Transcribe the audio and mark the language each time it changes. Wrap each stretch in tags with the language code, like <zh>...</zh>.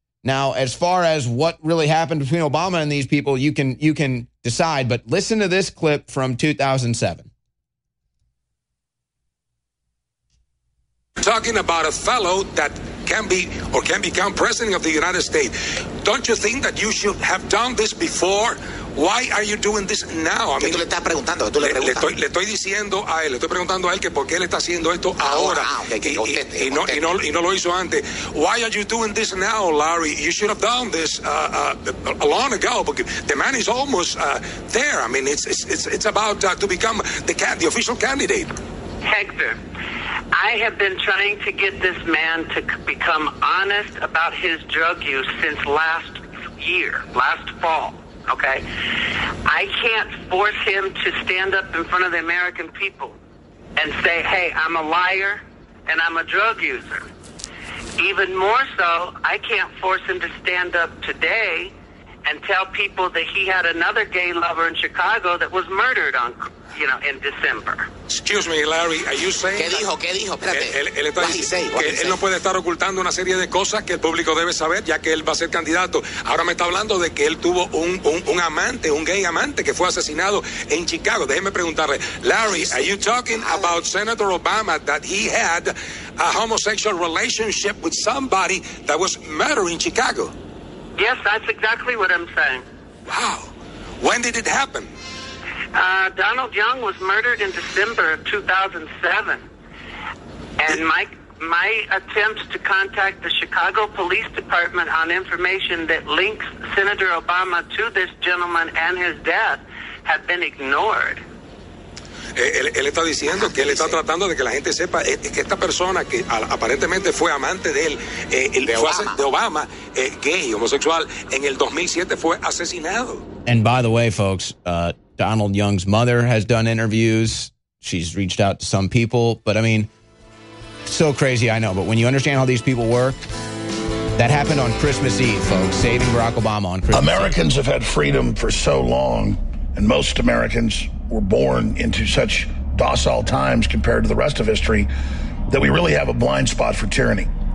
<en>Now, as far as what really happened between Obama and these people, you can decide. But listen to this clip from 2007. Talking about a fellow that can be or can become president of the United States. Don't you think that you should have done this before? Why are you doing this now? I mean,</en> <es>tú le estás preguntando, tú le preguntas. Le estoy diciendo a él, le estoy preguntando a él que por qué él está haciendo esto ahora. Y no lo hizo antes.</es> <en>Why are you doing this now, Larry? You should have done this a long ago, because the man is almost there. I mean, it's about to become the official candidate. Hector, I have been trying to get this man to become honest about his drug use since last year, last fall. Okay, I can't force him to stand up in front of the American people and say, hey, I'm a liar and I'm a drug user. Even more so, I can't force him to stand up today and tell people that he had another gay lover in Chicago that was murdered on, you know, in December. Excuse me, Larry, are you saying...</en> <es>¿Qué dijo? Espérate. Él está diciendo que él no puede estar ocultando una serie de cosas que el público debe saber, ya que él va a ser candidato. Ahora me está hablando de que él tuvo un amante, un gay amante, que fue asesinado en Chicago. Déjeme preguntarle.</es> <en>Larry, are you talking about Senator Obama, that he had a homosexual relationship with somebody that was murdered in Chicago? Yes, that's exactly what I'm saying. Wow. When did it happen? Donald Young was murdered in December of 2007. And my attempts to contact the Chicago Police Department on information that links Senator Obama to this gentleman and his death have been ignored.</en> <es>Él está diciendo que él está tratando de que la gente sepa que esta persona que aparentemente fue amante de él, de Obama, gay, homosexual, en el 2007 fue asesinado.</es> <en>And by the way, folks, Donald Young's mother has done interviews. She's reached out to some people. But I mean, so crazy, I know. But when you understand how these people work, that happened on Christmas Eve, folks, saving Barack Obama on Christmas Americans Eve. Have had freedom for so long, and most Americans were born into such docile times compared to the rest of history that we really have a blind spot for tyranny.</en>